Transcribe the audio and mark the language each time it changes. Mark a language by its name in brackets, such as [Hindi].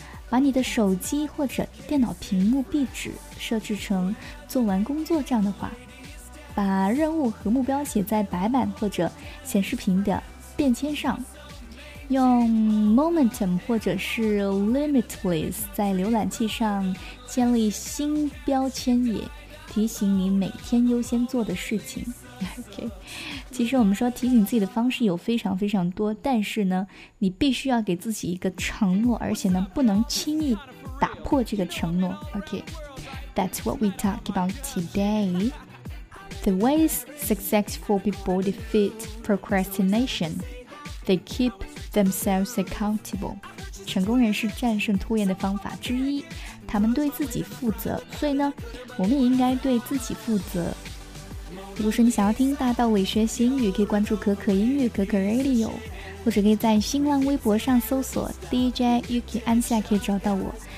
[Chinese] 把你的手机或者电脑屏幕壁纸设置成做完工作这样的话，把任务和目标写在白板或者显示屏的便签上，用 momentum 或者是 limitless 在浏览器上建立新标签，也提醒你每天优先做的事情。 OK， 其实我们说提醒自己的方式有非常非常多，但是呢你必须要给自己一个承诺，而且呢不能轻易打破这个承诺。 [English] OK， That's what we talk about today. The ways successful people defeat procrastinationThey keep themselves accountable. [Chinese] 成功人士战胜拖延的方法之一，他们对自己负责，所以呢，我们也应该对自己负责。如果说你想要听大道理学习英语，可以关注可可英语可可 Radio， 或者可以在新浪微博上搜索 DJ Yuki 安夏，可以找到我。